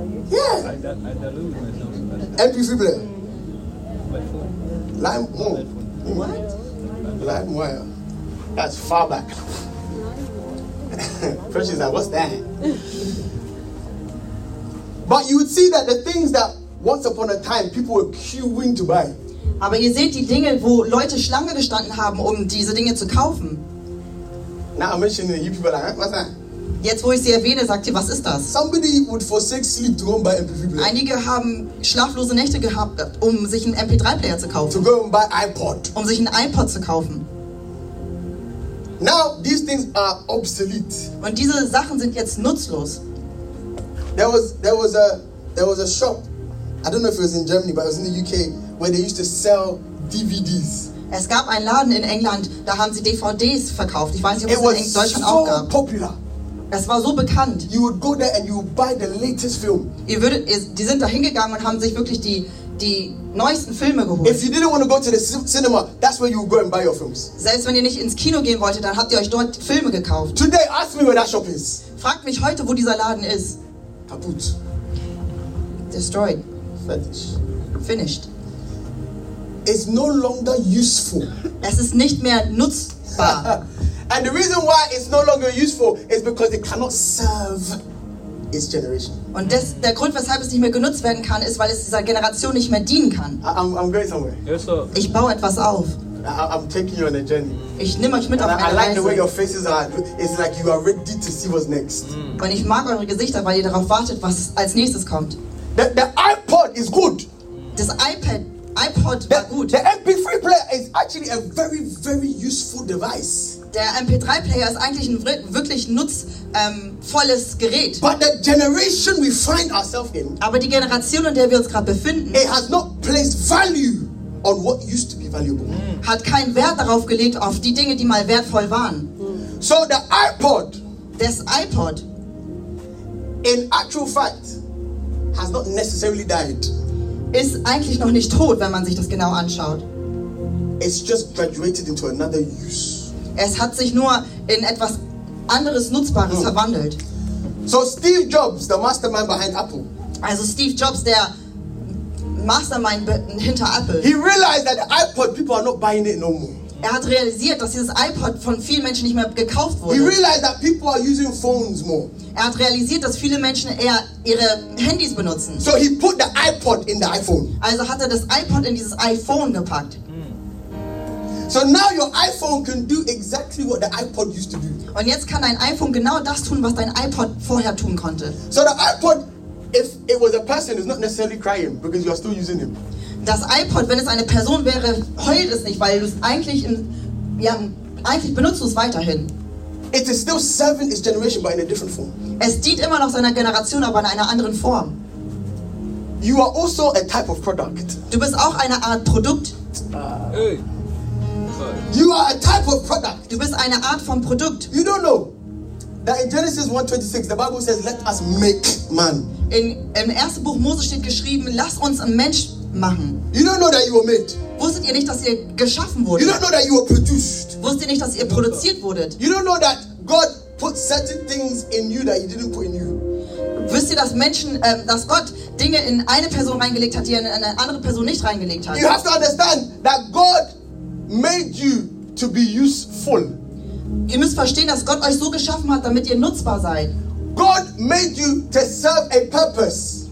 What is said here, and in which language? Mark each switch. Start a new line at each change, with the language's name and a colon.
English: Yeah. MP3 player. Lime. Oh. What? Lime wire. That's far back. First she's like, what's that? But you would see that the things that once upon a time people were queuing to buy.
German: Aber ihr seht die Dinge, wo Leute Schlange gestanden haben, um diese Dinge zu kaufen.
English: Now I'm mentioning you people like, what's that?
German: Jetzt, wo ich sie erwähne, sagt ihr, was ist das?
English: Somebody would forsake sleep to go and buy MP3 player.
German: Einige haben schlaflose Nächte gehabt, um sich einen MP3-Player zu kaufen.
English: To go and buy iPod.
German: Um sich einen iPod zu kaufen.
English: Now, these things are obsolete.
German: Und diese Sachen sind jetzt nutzlos.
English: There was a shop, I don't know if it was in Germany, but it was in the UK, where they used to sell DVDs.
German: Es gab einen Laden in England, da haben sie DVDs verkauft. Ich weiß nicht, ob es in Deutschland so auch gab.
English: It was so popular.
German: Das war so bekannt.
English: You would go there and you would buy the latest film.
German: Ihr würdet, die sind da hingegangen und haben sich wirklich die neuesten Filme geholt.
English: If you didn't want to go to the cinema, that's where you would go and buy your films.
German: Selbst wenn ihr nicht ins Kino gehen wolltet, dann habt ihr euch dort Filme gekauft.
English: Today, ask me where that shop is.
German: Fragt mich heute, wo dieser Laden ist. Kaputt.
English: Destroyed. Finished. It's no longer useful.
German: Es ist nicht mehr nutzbar.
English: And the reason why it's no longer useful is because it cannot serve its generation.
German: Und der Grund, weshalb es nicht mehr genutzt werden kann, ist, weil es dieser Generation nicht mehr dienen kann.
English: I'm going somewhere. Yes, sir.
German: Ich baue etwas auf.
English: I'm taking you on a journey.
German: Ich nehme euch mit
English: and
German: auf eine Reise.
English: I like the way your faces are. It's like you are ready to see what's next. Mm.
German: Und ich mag eure Gesichter, weil ihr darauf wartet, was als nächstes kommt.
English: The iPod is good.
German: Das iPad. iPod war gut.
English: The MP3 player is actually a very, very useful device.
German: Der MP3 Player ist eigentlich ein wirklich nutzvolles Gerät.
English: But the generation we find ourselves in,
German: aber die Generation, in der wir uns gerade befinden,
English: it has not placed value on what used to be valuable.
German: Hat keinen Wert darauf gelegt, auf die Dinge, die mal wertvoll waren.
English: So the iPod,
German: das iPod,
English: in actual fact, has not necessarily died.
German: Ist eigentlich noch nicht tot, wenn man sich das genau anschaut.
English: It's just graduated into another use.
German: Es hat sich nur in etwas anderes Nutzbares verwandelt.
English: So Steve Jobs, the mastermind behind Apple.
German: Also Steve Jobs, der Mastermind hinter Apple.
English: He realized that the iPod, people are not buying it no more.
German: Er hat realisiert, dass dieses iPod von vielen Menschen nicht mehr gekauft wurde.
English: He realized that people are using phones more.
German: Er hat realisiert, dass viele Menschen eher ihre Handys benutzen.
English: So he put the iPod in the iPhone.
German: Also hat er das iPod in dieses iPhone gepackt.
English: So now your iPhone can do exactly what the iPod used to do.
German: Und jetzt kann dein iPhone genau das tun, was dein iPod vorher tun konnte.
English: So the iPod, if it was a person, is not necessarily crying because you are still using him.
German: Das iPod, wenn es eine Person wäre, heult es nicht, weil du es eigentlich eigentlich benutzt du es weiterhin.
English: It is still serving its generation, but in a different form.
German: Es dient immer noch seiner Generation, aber in einer anderen Form.
English: You are also a type of product.
German: Du bist auch eine Art Produkt.
English: You are a type of product.
German: Du bist eine Art von Produkt.
English: You don't know that in Genesis 1:26 the Bible says, "Let us make man."
German: Im ersten Buch Mose steht geschrieben, lass uns einen Mensch machen.
English: You don't know that you were made.
German: Wusstet ihr nicht, dass ihr geschaffen wurdet?
English: You don't know that you were produced.
German: Wusstet ihr nicht, dass ihr produziert wurdet?
English: You don't know that God put certain things in you that He didn't put in you.
German: Wisst ihr, dass Menschen, dass Gott Dinge in eine Person reingelegt hat, die er in eine andere Person nicht reingelegt hat?
English: You have to understand that God made you to be useful.
German: Ihr müsst verstehen, dass Gott euch so geschaffen hat, damit ihr nutzbar seid.
English: God made you to serve a purpose.